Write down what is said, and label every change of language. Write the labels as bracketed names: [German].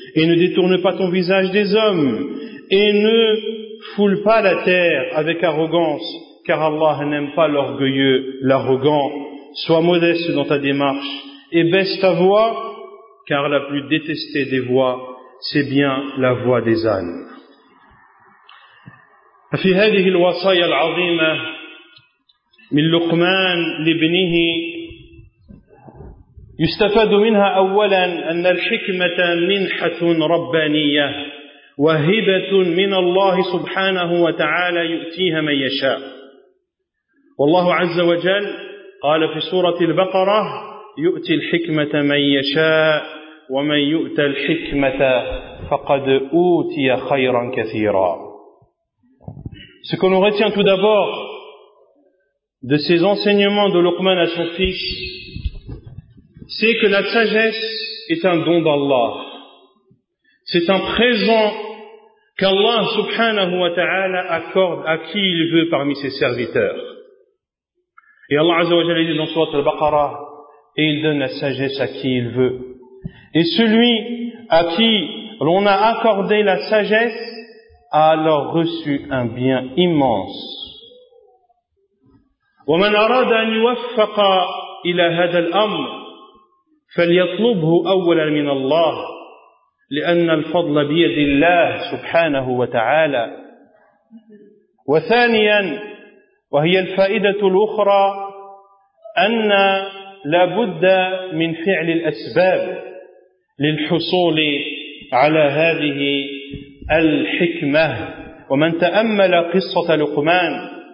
[French] Et ne détourne pas ton visage des hommes. Et ne foule pas la terre avec arrogance, car Allah n'aime pas l'orgueilleux, l'arrogant. Sois modeste dans ta démarche et baisse ta voix, car la plus détestée des voix, c'est bien la voix des ânes. [Arabic] في هذه الوصايا العظيمة من لقمان لابنه يستفاد منها أولا أن الحكمة منحة ربانية وهبة من الله سبحانه وتعالى يؤتيها من يشاء والله عز وجل قال في سورة البقرة يؤتي الحكمة من يشاء ومن يؤت الحكمة فقد أوتي خيرا كثيرا. [French] Ce que l'on retient tout d'abord de ces enseignements de Luqman à son fils, c'est que la sagesse est un don d'Allah. C'est un présent qu'Allah [Arabic] subhanahu wa ta'ala [French] accorde à qui il veut parmi ses serviteurs. Et Allah [Arabic] azza wa jalla [French] dit dans Sourate Al-Baqarah, et il donne la sagesse à qui il veut. Et celui à qui l'on a accordé la sagesse, a alors reçu un bien immense. [Arabic] وَمَنْ أَرَادَ أَنْ يُوَفَّقَ إِلَى هَذَا الْأَمْرِ فَلْيَطْلُبْهُ أَوَّلًا مِنَ اللَّهِ لِأَنَّ الْفَضْلَ بِيَدِ اللَّهِ سُبْحَانَهُ وَتَعَالَى وَثَانِيًا وَهِيَ الْفَائِدَةُ الْأُخْرَى أَنَّ لَابُدَّ مِنْ فِعْلِ الْأَسْبَابِ لِلْحُصُولِ عَلَى هَذِهِ الحكمة ومن تأمل قصة لقمان